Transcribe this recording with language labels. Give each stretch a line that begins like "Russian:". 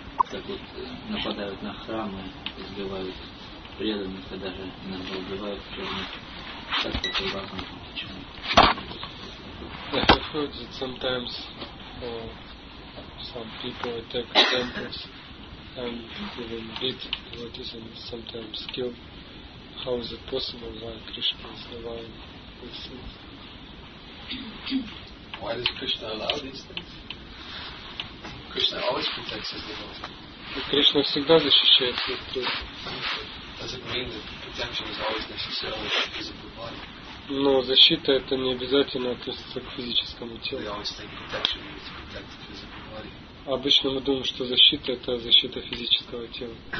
Russian: Так вот, нападают на храмы, избивают преданных, и даже иногда убивают преданных. Так вот, и важно, почему.
English: I've heard that sometimes some people attack temples. And even beat devotees and sometimes kill. How is it possible? Why Krishna is allowing these things? Why does Krishna allow these things? Krishna always protects his devotees.
Russian: Krishna всегда защищает свою природу.
English: Does it mean that protection is always necessarily a physical body?
Russian: Но защита это не обязательно относится к физическому телу.
English: We always think protection means to protect the physical body.
Russian: Обычно мы думаем, что защита – это защита физического тела.